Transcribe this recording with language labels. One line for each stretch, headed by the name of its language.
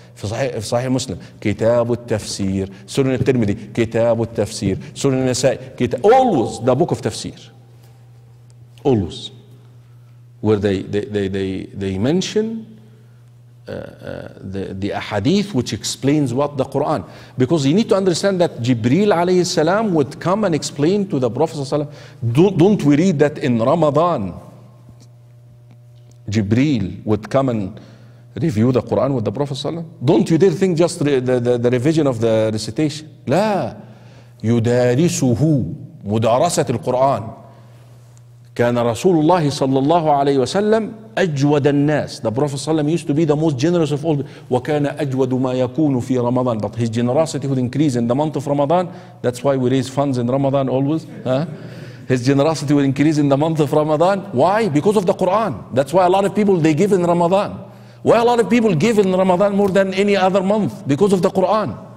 Arabic: في صحيح مسلم كتاب التفسير. سنن الترمذي كتاب التفسير.
English: سنن النسائي always the book of تفسير. Always where they mention the ahadith which explains what the Quran. Because you need to understand that Jibreel alayhi salam would come and explain to the Prophet sallallahu alayhi wa sallam. Don't we read that in Ramadan Jibreel would come and review the Quran with the Prophet sallallahu alayhi wa sallam? Don't you dare think just the revision of the recitation.
Arabic: لا يدارسه مدارسة القرآن. كان رسول الله صلى الله عليه وسلم أجود الناس.
English: The Prophet
Arabic: صلى الله عليه وسلم
English: used to be the most generous of all.
Arabic: وكان أجود ما يكون في رمضان.
English: But his generosity would increase in the month of Ramadan. That's why we raise funds in Ramadan always. His generosity would increase in the month of Ramadan. Why? Because of the Quran. That's why a lot of people they give in Ramadan. Why a lot of people give in Ramadan more than any other month? Because of the Quran.